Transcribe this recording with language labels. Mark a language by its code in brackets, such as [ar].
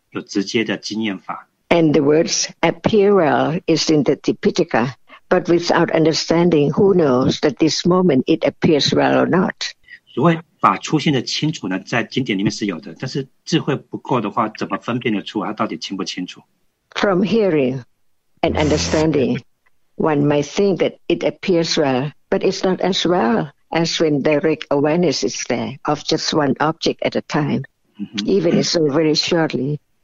[en] And the words appear well is in the Tipitaka, but without understanding, who knows that this moment it appears well or not? [zh] 所谓法出现的清楚呢，在经典里面是有的，但是智慧不够的话，怎么分辨得出它到底清不清楚？ [en] From hearing and understanding, one might think that it appears well, but it's not as well as when direct awareness is there of just one object at a time, even if so very shortly.